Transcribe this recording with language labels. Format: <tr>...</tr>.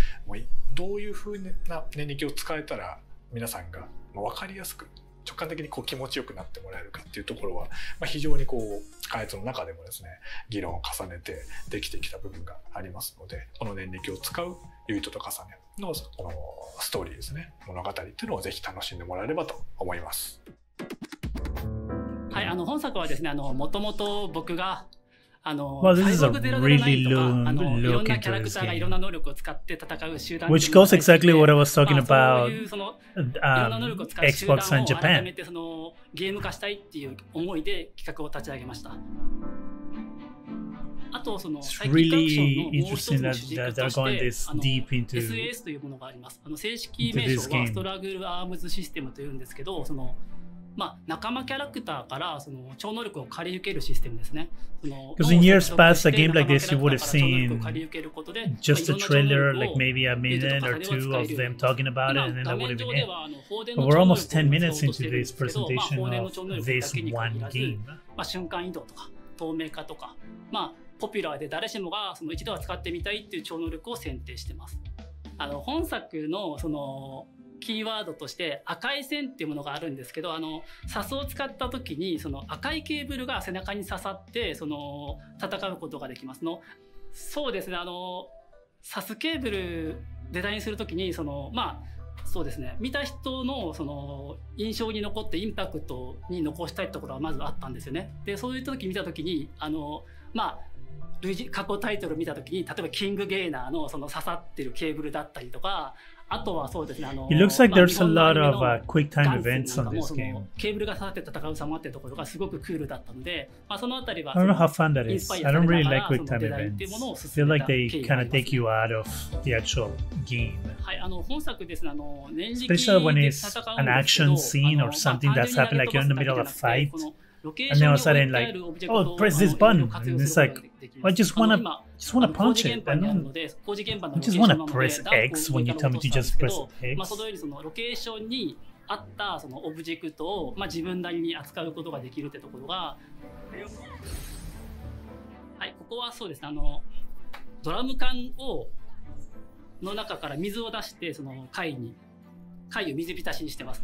<ja>もどういう風な念力を使えたら皆さんが分かりやすく直感的にこう気持ちよくなってもらえるかっていうところは、まあ、非常にこう開発の中でもですね議論を重ねてできてきた部分がありますので、この念力を使うユイトと重ねのこのストーリーですね、物語っていうのをぜひ楽しんでもらえればと思います。はい、あの本作はですね、もともと僕があ</ja> <en>の Well, this is a really long look into this game.</en> <ja>いろんな能力を使って戦う集団</ja> <en>Which goes exactly what I was talking about Xbox and Japan.</en> <ja>そのゲーム化したいっていう思いで企画を立ち上げました。あとその最近アクションのもう一つの主軸として、あの SAS というものがあります。あの正式名称はストラグルアームズシステムというんですけど、そのまあ仲間キャラクターからその超能力を借り受けるシステムですね。</ja> <en>Because in years past, a game like this, you would have seen just a trailer, like maybe a minute or two of them talking about it, and then that would have been it. But we're almost 10 minutes into this presentation of this one game.</en> <ja>まあ瞬間移動とか透明化とか、まあポピュラーで誰しもがその一度は使ってみたいっていう超能力を選定してます。あの本作のそのキーワードとして赤い線っていうものがあるんですけど、あのサスを使った時にその赤いケーブルが背中に刺さってその戦うことができます。のそうですね、あのサスケーブルデザインする時にそのまあそうですね、見た人のその印象に残ってインパクトに残したいところはまずあったんですよね。でそういった時見た時にあのまあ過去タイトルを見たときに、例えばキングゲーナーのその刺さってるケーブルだったりとか、あとはそうですね、あの</ja> <en>It looks like there's a lot of quick time events on this game.</en> <ja>ケーブルが刺さって戦う様っていうところがすごくクールだったので、まあ、そのあたりは</ja> <en>I don't know how fun that is. I don't really like quick time events. I feel like they kind of take you out of the actual game.</en> <ja>はい、あの本作ですね、あの年次</ja> <en>Especially when it's an action scene or something that's happening, like you're in the middle of a fight. And then all of a sudden, like, oh, press this button. And it's like, I just want to punch it. I don't just want to press X when you tell me to just press X.</en> <ja>そのようにそのロケーションに合ったそのオブジェクトを、まあ、自分なりに扱うことができるってところが、はい、ここはそうですね、あのドラム缶をの中から水を出してその貝に貝を水浸しにしてます。</ja>